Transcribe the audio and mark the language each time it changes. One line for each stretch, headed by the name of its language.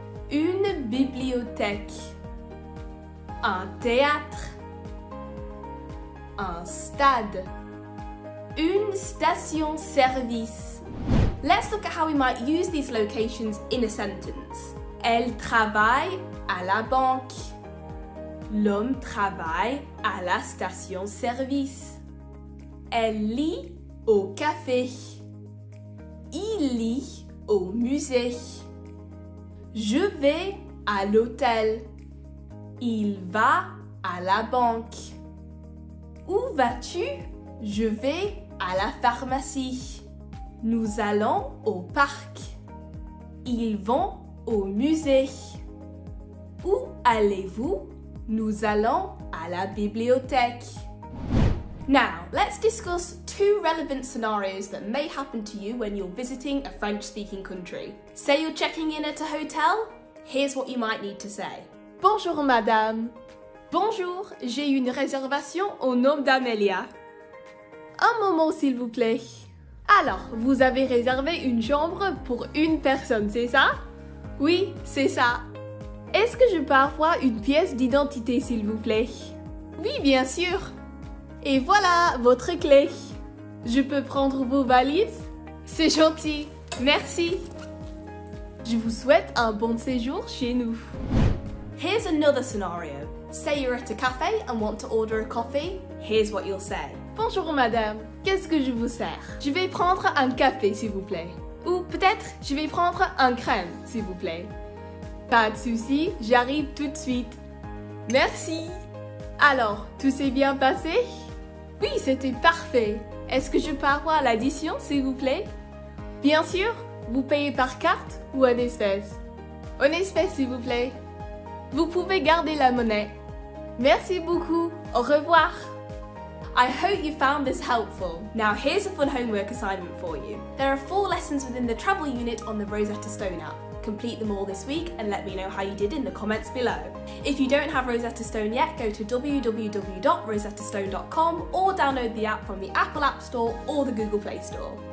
French: Une bibliothèque. Un théâtre. Un stade. Une station-service.
English: Let's look at how we might use these locations in a sentence.
French: Elle travaille à la banque. L'homme travaille à la station-service. Elle lit au café. Il lit au musée. Je vais à l'hôtel. Il va à la banque. Où vas-tu? Je vais à la pharmacie. Nous allons au parc. Ils vont au musée. Où allez-vous? Nous allons à la bibliothèque.
English: Now, let's discuss two relevant scenarios that may happen to you when you're visiting a French-speaking country. Say you're checking in at a hotel, here's what you might need to say.
French: Bonjour madame. Bonjour, j'ai une réservation au nom d'Amelia. Un moment s'il vous plaît. Alors, vous avez réservé une chambre pour une personne, c'est ça? Oui, c'est ça. Est-ce que je peux avoir une pièce d'identité s'il vous plaît? Oui, bien sûr. Et voilà, votre clé. Je peux prendre vos valises? C'est gentil, merci. Je vous souhaite un bon séjour chez nous.
English: Here's another scenario. Say you're at a cafe and want to order a coffee, here's what you'll say.
French: Bonjour madame, qu'est-ce que je vous sers? Je vais prendre un café s'il vous plaît. Ou peut-être je vais prendre un crème s'il vous plaît. Pas de souci, j'arrive tout de suite. Merci. Alors, tout s'est bien passé? Oui, c'était parfait. Est-ce que je peux avoir l'addition, s'il vous plaît? Bien sûr, vous payez par carte ou en espèces? En espèces, s'il vous plaît. Vous pouvez garder la monnaie. Merci beaucoup, au revoir.
English: I hope you found this helpful. Now here's a fun homework assignment for you. There are four lessons within the travel unit on the Rosetta Stone app. Complete them all this week and let me know how you did in the comments below. If you don't have Rosetta Stone yet, go to www.rosettastone.com or download the app from the Apple App Store or the Google Play Store.